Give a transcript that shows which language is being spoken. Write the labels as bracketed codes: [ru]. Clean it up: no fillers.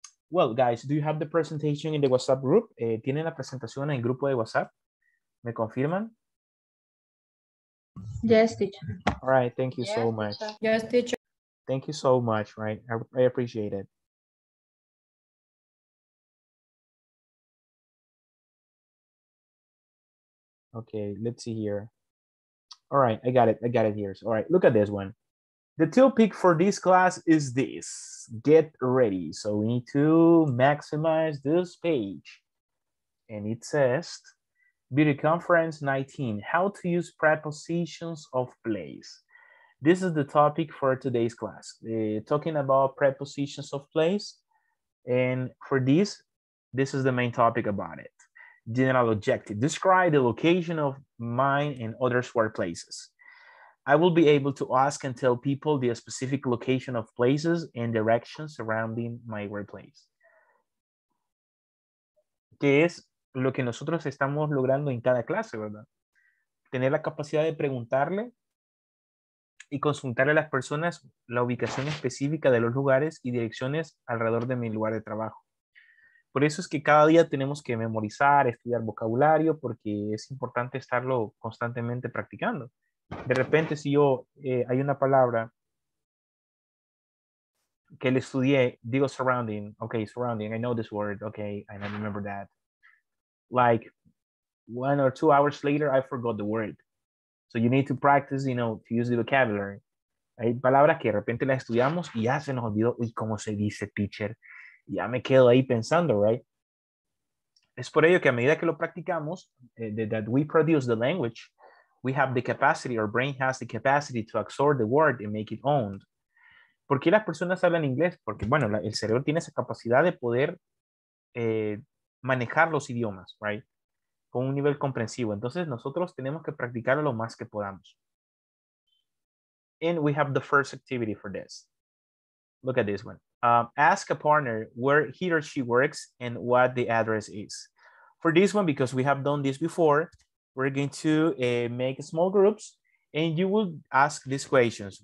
[en] Well, guys, do you have the presentation in the WhatsApp group? [es] ¿Tienen la presentación en el grupo de WhatsApp? ¿Me confirman? [en] Yes, teacher. All right, thank you so much. Yes, teacher. Thank you so much, right? I appreciate it. Okay, let's see here. All right, I got it. I got it here. All right, look at this one. The topic for this class is this. Get ready. So we need to maximize this page. And it says, Videoconference 19, how to use prepositions of place. This is the topic for today's class. Talking about prepositions of place. And for this, this is the main topic about it. General objective, describe the location of mine and others' workplaces. I will be able to ask and tell people the specific location of places and directions surrounding my workplace. [es] Que es lo que nosotros estamos logrando en cada clase, ¿verdad? Tener la capacidad de preguntarle y consultarle a las personas la ubicación específica de los lugares y direcciones alrededor de mi lugar de trabajo. Por eso es que cada día tenemos que memorizar, estudiar vocabulario, porque es importante estarlo constantemente practicando. De repente, si yo, hay una palabra que le estudié, digo surrounding, okay, surrounding, [en] I know this word, okay, I remember that. Like, 1 or 2 hours later, I forgot the word. So you need to practice, you know, to use the vocabulary. [es] Hay palabras que de repente las estudiamos y ya se nos olvidó, uy, ¿cómo se dice, teacher? Ya me quedo ahí pensando, [en] right? [es] Es por ello que a medida que lo practicamos, [en] that we produce the language, we have the capacity, our brain has the capacity to absorb the word and make it owned. [es] ¿Por qué las personas hablan inglés? Porque, bueno, el cerebro tiene esa capacidad de poder manejar los idiomas, right? Con un nivel comprensivo. Entonces, nosotros tenemos que practicarlo lo más que podamos. [en] And we have the first activity for this. Look at this one. Ask a partner where he or she works and what the address is. For this one, because we have done this before, we're going to make small groups and you will ask these questions.